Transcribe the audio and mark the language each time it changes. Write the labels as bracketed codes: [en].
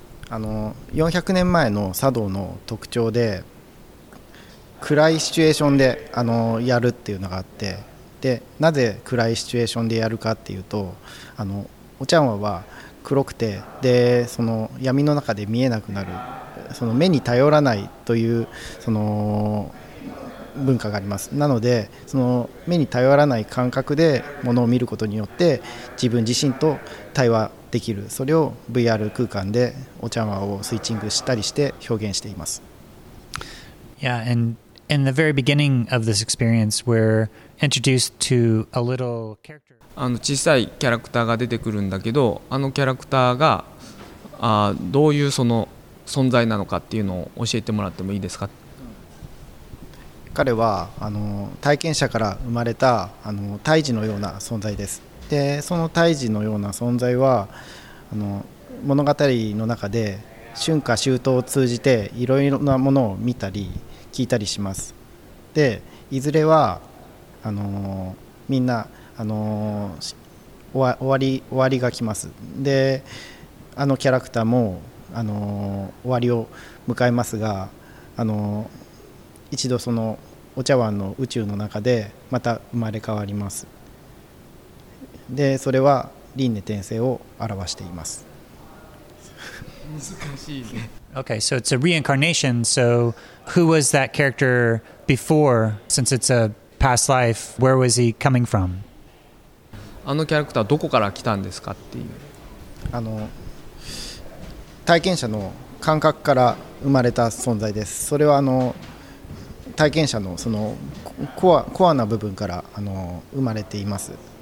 [ja] あの400年前の茶道の特徴で、暗いシチュエーションであのやるっていうのがあって、でなぜ暗いシチュエーションでやるかっていうと、あのお茶碗は黒くて、でその闇の中で見えなくなる、その目に頼らないというその文化があります。なのでその目に頼らない感覚でものを見ることによって自分自身と対話できる、それを VR 空間でお茶碗をスイッチングしたりして表現しています。 [en] Yeah, and in the very beginning of this experience we're introduced to a little character [ja] あの小さいキャラクターが出てくるんだけど、あのキャラクターがどういうその存在なのかっていうのを教えてもらってもいいですか？彼はあの体験者から生まれたあの胎児のような存在です。でその胎児のような存在はあの物語の中で春夏秋冬を通じていろいろなものを見たり聞いたりします。でいずれはあのみんなあの終わりが来ます。であのキャラクターもあの終わりを迎えますが、あの一度そのお茶碗の宇宙の中でまた生まれ変わります。でそれは輪廻転生を表しています。難しいね。 [en] Okay, so it's a reincarnation. So who was that character before? Since it's a past life, where was he coming from? [ja] あのキャラクターどこから来たんですかっていう、あの体験者の感覚から生まれた存在です。それはあの体験者のそのコアな部分からあの生まれています。